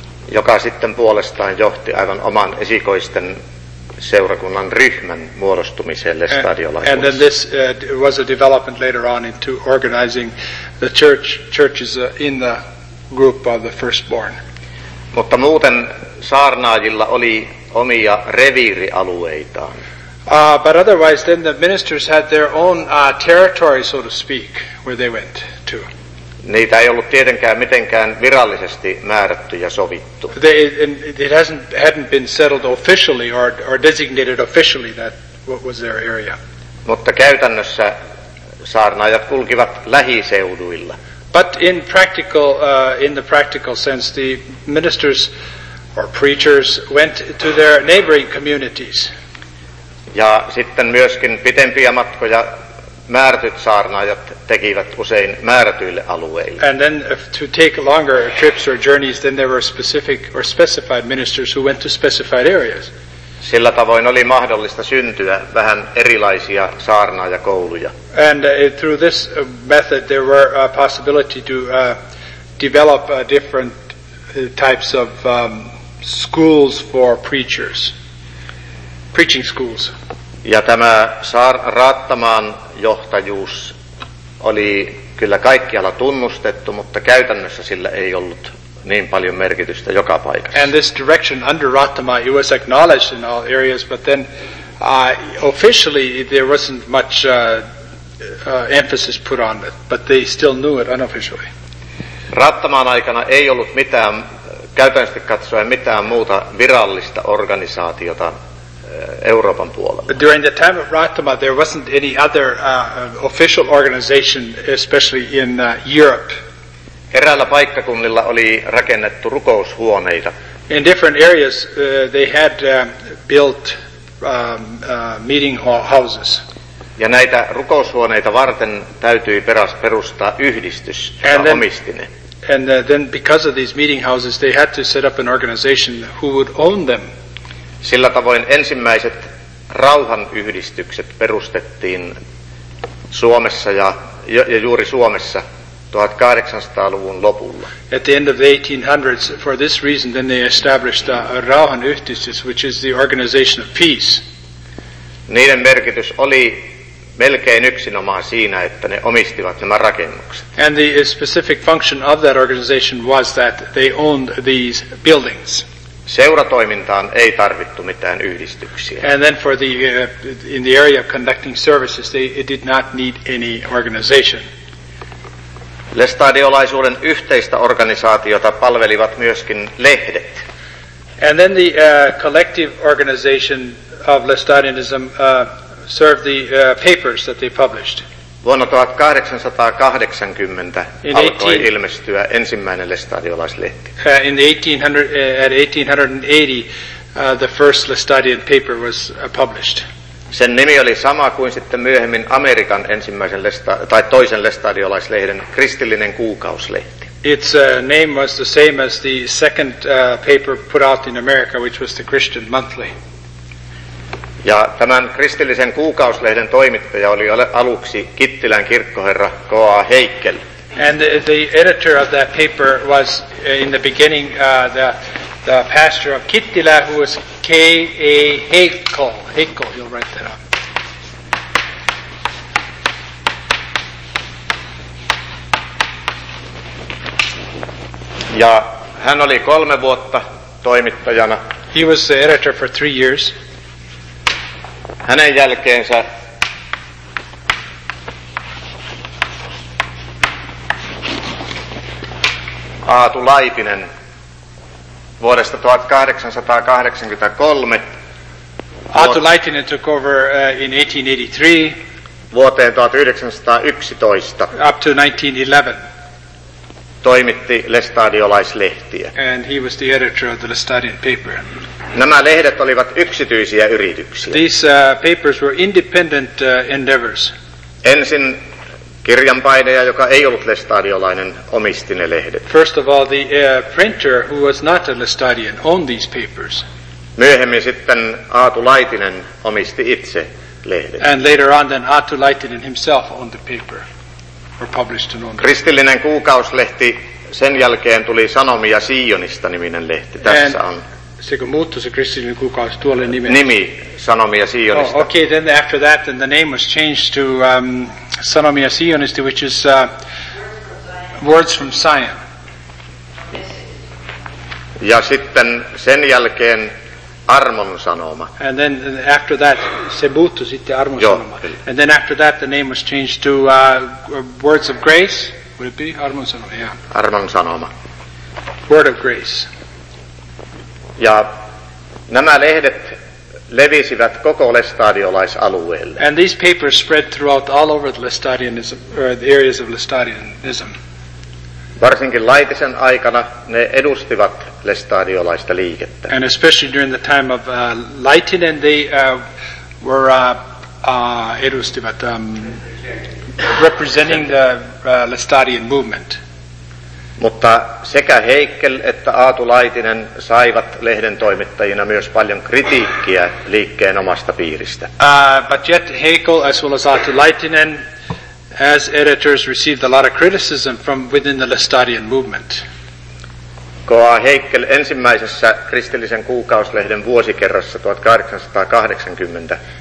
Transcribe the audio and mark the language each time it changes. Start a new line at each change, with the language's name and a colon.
Finnish: Joka sitten puolestaan johti aivan oman esikoisten seurakunnan ryhmän muodostumiselle stadiolaisuudessa.
English: And then this was a development later on into organizing the churches in the group of the firstborn.
Finnish: Mutta muuten saarnaajilla oli omia reviirialueitaan.
English: But otherwise then the ministers had their own territory, so to speak, where they went to.
Finnish: Niitä ei ollut tietenkään mitenkään virallisesti määrätty ja sovittu.
English: It hadn't been settled officially or designated officially that what was their area.
Finnish: Mutta käytännössä saarnaajat kulkivat lähiseuduilla.
English: But in the practical sense, the ministers or preachers went to their neighboring communities.
Finnish: Ja sitten myöskin pitempiä matkoja määrätyt saarnaajat tekivät usein määrätyille alueille.
English: And then to take longer trips or journeys, then there were specific or specified ministers who went to specified areas.
Finnish: Sillä tavoin oli mahdollista syntyä vähän erilaisia saarnaajakouluja.
English: And through this method there were a possibility to develop different types of schools for preachers. Preaching schools.
Finnish: Ja tämä Rattamaan johtajuus oli kyllä kaikkialla tunnustettu, mutta käytännössä sillä ei ollut niin paljon merkitystä joka paikassa.
English: And this direction under Rattama, it was acknowledged in all areas, but then officially there wasn't much emphasis put on it, but they still knew it unofficially.
Finnish: Rattamaan aikana ei ollut mitään, käytännössä katsoen mitään muuta virallista organisaatiota Euroopan puolella.
English: But during the time of Rattama, there wasn't any other official organization, especially in Europe.
Finnish: Eräällä paikkakunnilla oli rakennettu rukoushuoneita.
English: In different areas they had built meeting houses.
Finnish: Ja näitä rukoushuoneita varten täytyi perustaa yhdistys, joka
English: and then,
Finnish: omisti ne.
English: And then because of these meeting houses they had to set up an organization who would own them.
Finnish: Sillä tavoin ensimmäiset rauhan yhdistykset perustettiin Suomessa ja juuri Suomessa 1800-luvun lopulla.
English: At the end of the 1800s, for this reason, then they established a Rauhanyhdistys, which is the organization of peace.
Finnish: Niiden merkitys oli melkein yksinomaan siinä, että ne omistivat nämä rakennukset.
English: And the specific function of that organization was that they owned these buildings.
Finnish: Seuratoimintaan ei tarvittu mitään yhdistyksiä.
English: And then for the, in the area of conducting services, they did not need any organization.
Finnish: Lestadiolaisuuden yhteistä organisaatiota palvelivat myöskin lehdet.
English: And then the collective organization of Lestadianism served the papers that they published.
Finnish: Vuonna 1880 alkoi ilmestyä ensimmäinen lestadiolaislehti.
English: In the 1880, the first Lestadian paper was published.
Finnish: Sen nimi oli sama kuin sitten myöhemmin Amerikan ensimmäisen tai toisen lestadiolaislehden kristillinen kuukauslehti.
English: Its name was the same as the second paper put out in America, which was the Christian Monthly.
Finnish: Ja tämän kristillisen kuukauslehden toimittaja oli aluksi Kittilän kirkkoherra K.A. Heikkel.
English: And the editor of that paper was in the beginning the pastor of Kittilä, who was K.A. Heikkel. Heikkel, you'll write that up.
Finnish: Ja hän oli 3 vuotta toimittajana.
English: He was the editor for 3 years.
Finnish: Hänen jälkeensä Aatu Laitinen vuodesta 1883.
English: Aatu Laitinen took over in 1883
Finnish: vuoteen 1911.
English: Up to 1911.
Finnish: Toimitti lestadiolaislehtiä.
English: And he was the editor of the Lestadian paper.
Finnish: Nämä lehdet olivat yksityisiä yrityksiä.
English: These papers were independent endeavors.
Finnish: Ensin kirjanpainaja, joka ei ollut lestadiolainen, omisti ne lehdet.
English: First of all, the printer, who was not a Lestadian, owned these papers.
Finnish: Myöhemmin sitten Aatu Laitinen omisti itse lehdet.
English: And later on, then Aatu Laitinen himself owned the paper, or published and owned.
Finnish: Kristillinen kuukauslehti, sen jälkeen tuli Sanomia Sionista -niminen lehti. Tässä on. Sekö muuttui se kristillinen kuukaus tuolle nimeen? Nimi Sanomia Sionista.
English: Oh, okay, then after that, then the name was changed to Sanomia Sionista, which is Words from Zion.
Finnish: Ja sitten sen jälkeen Armon Sanoma.
English: And then after that,
Finnish: se muuttui sitten Armon Sanoma.
English: And then after that, the name was changed to Words of Grace. Would it be Armon Sanoma? Yeah. Armon Sanoma. Word of Grace.
Finnish: Ja nämä lehdet levisivät koko lestadiolaisalueelle.
English: And these papers spread throughout all over the Lestadianism, or the areas of Lestadianism.
Finnish: Varsinkin Laitisen aikana ne edustivat lestadiolaista liikettä.
English: And especially during the time of Laitinen, they were edustivat representing the Lestadian movement.
Finnish: Mutta sekä Heikkel että Aatu Laitinen saivat lehden toimittajina myös paljon kritiikkiä liikkeen omasta piiristä.
English: But yet Heikkel as well as Aatu Laitinen as editors received a lot of criticism from within the Lestadian movement.
Finnish: K.A. Heikkel ensimmäisessä kristillisen kuukauslehden vuosikerrassa 1880.